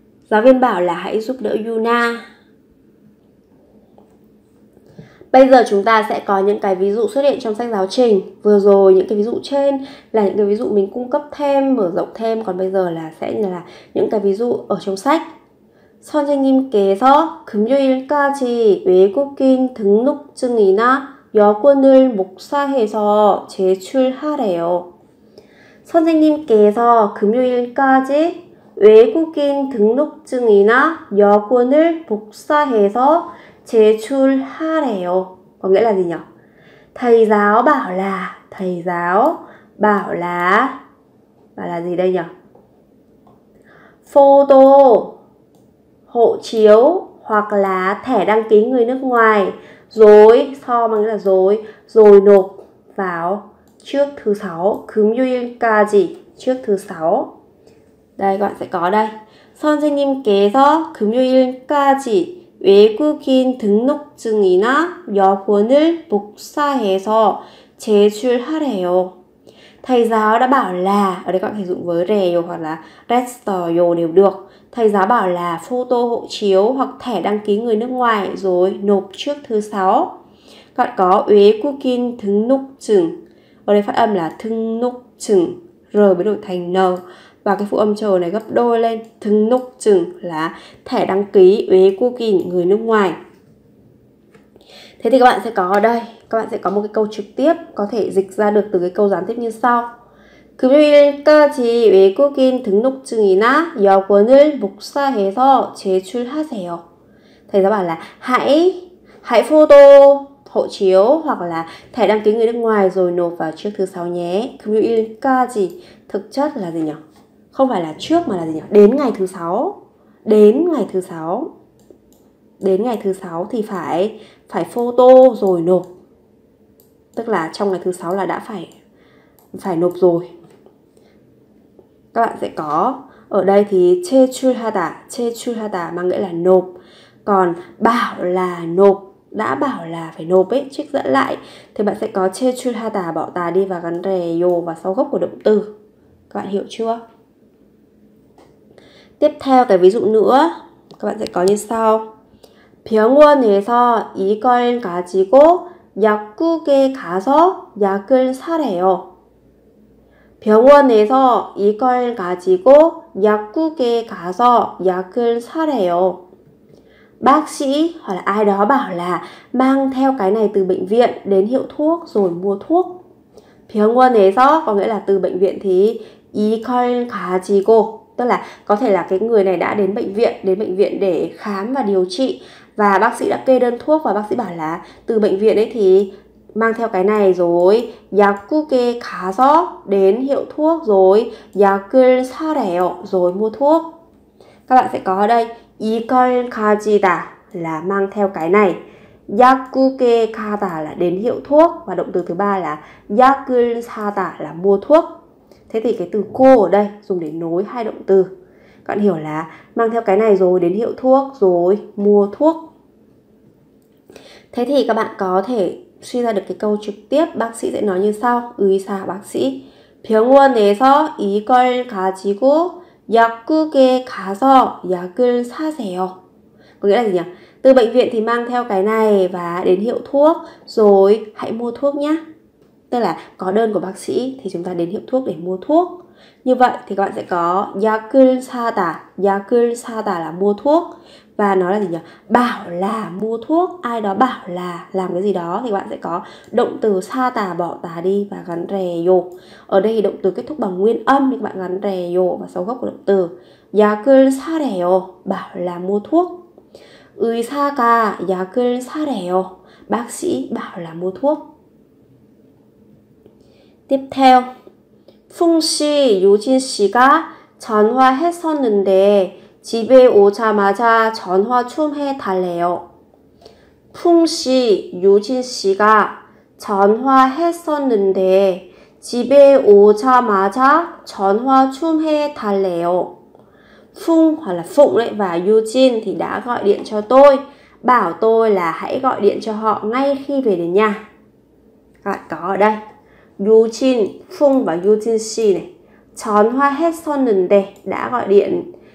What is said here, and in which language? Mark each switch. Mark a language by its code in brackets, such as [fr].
[vi] Giáo viên bảo là hãy giúp đỡ Yuna. Bây giờ chúng ta sẽ có những cái ví dụ xuất hiện trong sách giáo trình. Vừa rồi những cái ví dụ trên là những cái ví dụ mình cung cấp thêm, mở rộng thêm. Còn bây giờ là sẽ là những cái ví dụ ở trong sách. [ko] 선생님께서 금요일까지 외국인 등록증이나 여권을 목사해서 제출하래요. 선생님께서 금요일까지 외국인 등록증이나 여권을 복사해서 제출하래요. [vi] Có nghĩa là gì nhỉ? Thầy giáo bảo là, thầy giáo bảo là, bảo là gì đây nhỉ? Photo, hộ chiếu hoặc là thẻ đăng ký người nước ngoài rồi, so bằng nghĩa là rồi nộp vào trước thứ sáu, [ko] 금요일까지, [vi] trước thứ sáu. Đây, các bạn sẽ có đây. [ko] 선생님께서 금요일까지 외국인 등록증이나 여권을 복사해서 제출하래요. [vi] Thầy giáo đã bảo là, ở đây các bạn thể dụng với rèo hoặc là restoryo đều được. Thầy giáo bảo là photo hộ chiếu hoặc thẻ đăng ký người nước ngoài rồi nộp trước thứ sáu. Các bạn có 외국인 등록증. Ở đây phát âm là 등록증, R mới đổi thành N. Và cái phụ âm chờ này gấp đôi lên, 등록증 là thẻ đăng ký 외국인, người nước ngoài. Thế thì các bạn sẽ có ở đây, các bạn sẽ có một cái câu trực tiếp có thể dịch ra được từ cái câu gián tiếp như sau. [ko] 금요일까지 외국인 등록증이나 여권을 복사해서 제출하세요. [vi] Thầy giáo bảo là hãy photo hộ chiếu hoặc là thẻ đăng ký người nước ngoài rồi nộp vào trước thứ sáu nhé. [ko] 금요일까지 [vi] thực chất là gì nhỉ? Không phải là trước mà là gì nhỉ? Đến ngày thứ sáu. Đến ngày thứ sáu. Đến ngày thứ sáu thì phải photo rồi nộp. Tức là trong ngày thứ sáu là đã phải nộp rồi. Các bạn sẽ có ở đây thì 제출하다, 제출하다 mà nghĩa là nộp. Còn bảo là nộp, đã bảo là phải nộp ấy, trích dẫn lại thì bạn sẽ có 제출하다 bỏ tà đi và gắn rèo và sau gốc của động từ. Các bạn hiểu chưa? Tiếp theo cái ví dụ nữa, các bạn sẽ có như sau. [ko] 병원에서 이걸 가지고 약국에 가서 약을 사래요. 병원에서 이걸 가지고 약국에 가서 약을 사래요. [vi] Bác sĩ hoặc là ai đó bảo là mang theo cái này từ bệnh viện đến hiệu thuốc rồi mua thuốc. 병원에서 có nghĩa là từ bệnh viện thì [ko] 이걸 가지고, [vi] tức là có thể là cái người này đã đến bệnh viện để khám và điều trị và bác sĩ đã kê đơn thuốc và bác sĩ bảo là từ bệnh viện ấy thì mang theo cái này rồi [ko] 약국에 가서 [vi] đến hiệu thuốc rồi [ko] 약을 사래요 [vi] rồi mua thuốc. Các bạn sẽ có ở đây [ko] 이걸 가지다 [vi] là mang theo cái này, [ko] 약국에 가다 [vi] là đến hiệu thuốc và động từ thứ ba là [ko] 약을 사다 [vi] là mua thuốc. Thế thì cái từ cô ở đây dùng để nối hai động từ. Các bạn hiểu là mang theo cái này rồi đến hiệu thuốc rồi mua thuốc. Thế thì các bạn có thể suy ra được cái câu trực tiếp bác sĩ sẽ nói như sau. [ko] 의사 [vi] bác sĩ [ko] 병원에서 이걸 가지고 약국에 가서 약을 사세요. [vi] Có nghĩa là gì nhỉ? Từ bệnh viện thì mang theo cái này và đến hiệu thuốc rồi hãy mua thuốc nhé. Tức là có đơn của bác sĩ thì chúng ta đến hiệu thuốc để mua thuốc. Như vậy thì các bạn sẽ có [ko] 약을 사다. 약을 사다 [vi] là mua thuốc. Và nó là gì nhỉ? Bảo là mua thuốc. Ai đó bảo là làm cái gì đó thì các bạn sẽ có động từ 사다 bỏ tà đi và gắn rèo. Ở đây thì động từ kết thúc bằng nguyên âm thì các bạn gắn rèo và sau gốc của động từ. [ko] 약을 사래요. [vi] Bảo là mua thuốc. [ko] 의사가 약을 사래요. [vi] Bác sĩ bảo là mua thuốc. Tiếp theo, [ko] Phung 씨, 유진 씨가 전화했었는데 집에 오자마자 전화 좀 해달래요. Phung 씨, 유진 씨가 전화했었는데 집에 오자마자 전화 좀 해달래요. [vi] Phung hoặc là Phụng đấy và Yujin thì đã gọi điện cho tôi, bảo tôi là hãy gọi điện cho họ ngay khi về đến nhà. Các bạn có ở đây. Yujin, Phung và Yujin Shi này. [ko] 전화했었는데 [vi] đã gọi điện.